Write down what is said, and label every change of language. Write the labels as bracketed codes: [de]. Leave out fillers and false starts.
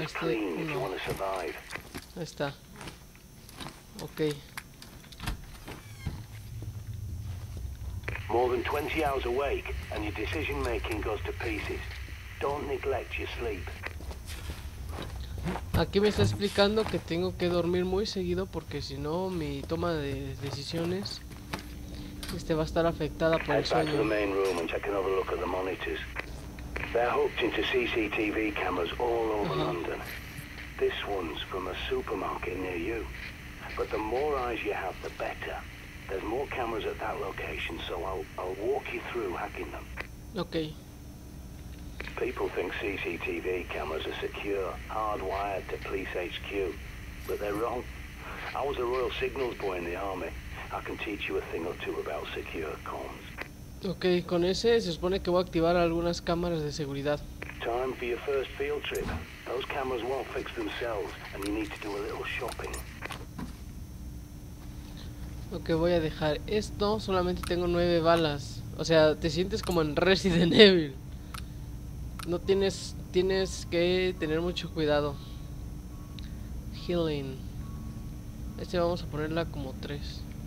[en] this place clean if you want to survive. [es] Ahí está. Okay. [en] More than 20 hours awake and your decision making goes to pieces. Don't neglect your sleep. [es] Aquí me está explicando que tengo que dormir muy seguido porque si no mi toma de decisiones va a estar afectada por el sueño. [en] Head back to the main room and take another look at the monitors. They're hooked into CCTV cameras all over London. This one's from a supermarket near you. But the more eyes you have, the better. There's more cameras at that location, so I'll walk you through hacking them. Okay. People think CCTV cameras are secure, hardwired to police HQ. But they're wrong. I was a Royal Signals boy in the army. I can teach you a thing or two about secure comms. [es] Ok, con ese se supone que voy a activar algunas cámaras de seguridad. [en] Time for your first field trip. Those cameras won't fix themselves and you need to do a little shopping. [es] Ok, voy a dejar esto, solamente tengo 9 balas. O sea, te sientes como en Resident Evil. No tienes que tener mucho cuidado. Healing. Este vamos a ponerla como 3.